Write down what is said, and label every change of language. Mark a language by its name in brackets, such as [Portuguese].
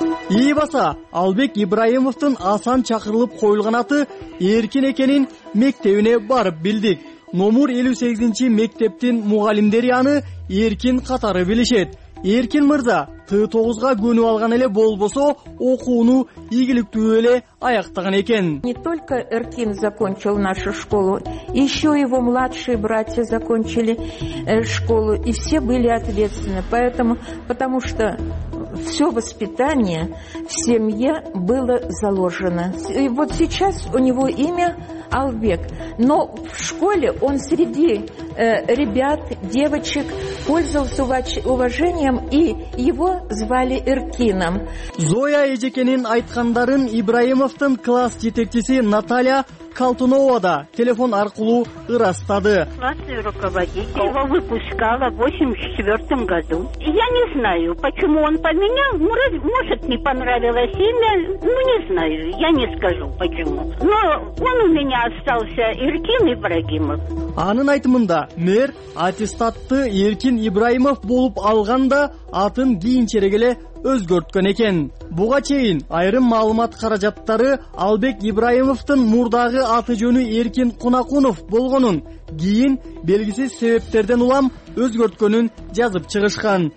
[Kyrgyz] Ии баса, Албек Ибраимовдун асан чакырылып коюлган аты эркин экенин мектебине барып билдик. Номур 58-чи мектептин мугалимдери аны эркин катары билишет. Эркин мырза, Т9га көнүп алган эле болбосо, окууну ийгиликтүү эле аяктаган экен. [Russian] Не только Эркин закончил нашу школу, еще его младшие братья закончили школу, и все были ответственны. Поэтому, потому что все воспитание в семье было заложено. И вот сейчас у него имя Албек. Но в школе он среди ребят, девочек пользовался уважением, и его звали Эркином. [Kyrgyz] Зоя Эжекенин айткандарын Ибраимовдун класс жетекчиси Наталья Калтунова да телефон аркылуу ырастады. [Russian] Классный руководитель его выпускала в 84-м году. Я не знаю, почему он поменял. Может, не понравилось имя. Ну, не знаю. Я не скажу, почему. Но он у меня остался Эркин Ибраимов. [Kyrgyz] Анын айтымында мэр аттестатты Эркин Ибраимов болуп алганда атын кийинчерээк эле өзгөрткөн экен. Буга чейин айрым маалымат каражаттары Албек Ибраимовдун мурдагы аты жөнү Эркин Кунакунов болгонун, кийин белгисиз себептерден улам өзгөрткөнүн жазып чыгышкан.